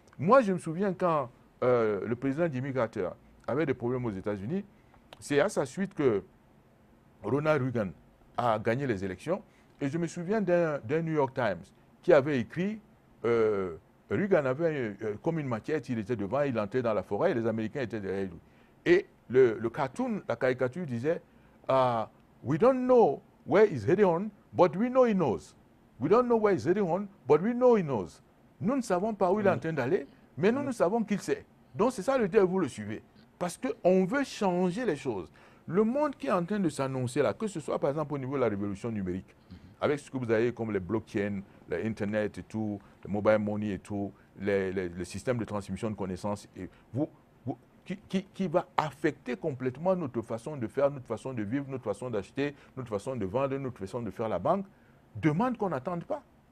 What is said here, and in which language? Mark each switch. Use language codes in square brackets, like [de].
[fr] Moi, je me souviens quand le président Jimmy Carter avait des problèmes aux États-Unis, c'est à sa suite que Ronald Reagan a gagné les élections. Et je me souviens d'un New York Times qui avait écrit Reagan avait comme une maquette, il était devant, il entrait dans la forêt et les Américains étaient derrière lui. Et le cartoon, la caricature disait [en] we don't know where he's heading on, but we know he knows. We don't know where he's heading on, but we know he knows. [fr] Nous ne savons pas où il est en train d'aller, mais nous, nous savons qu'il sait. Donc c'est ça le deal, vous le suivez. Parce qu'on veut changer les choses. Le monde qui est en train de s'annoncer là, que ce soit par exemple au niveau de la révolution numérique, avec ce que vous avez comme les blockchains, l'Internet et tout, le mobile money et tout, les systèmes de transmission de connaissances, et qui va affecter complètement notre façon de faire, notre façon de vivre, notre façon d'acheter, notre façon de vendre, notre façon de faire la banque, demande qu'on n'attende pas.